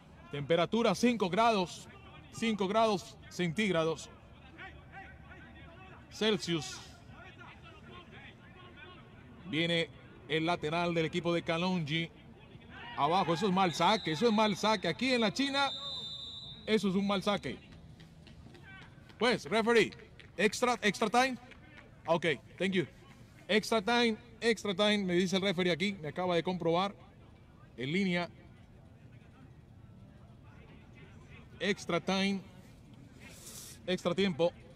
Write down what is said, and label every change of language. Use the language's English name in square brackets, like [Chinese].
[Spanish] Temperatura 5 grados. 5 grados centígrados. Celsius. Viene el lateral del equipo de Calongi. Abajo, eso es mal saque, eso es mal saque. Aquí en la China, eso es un mal saque. [English] Pues, referee, extra time. Ok, thank you. Extra time, [Spanish] me dice el referee aquí. Me acaba de comprobar en línea. [English] Extra time, extra tiempo.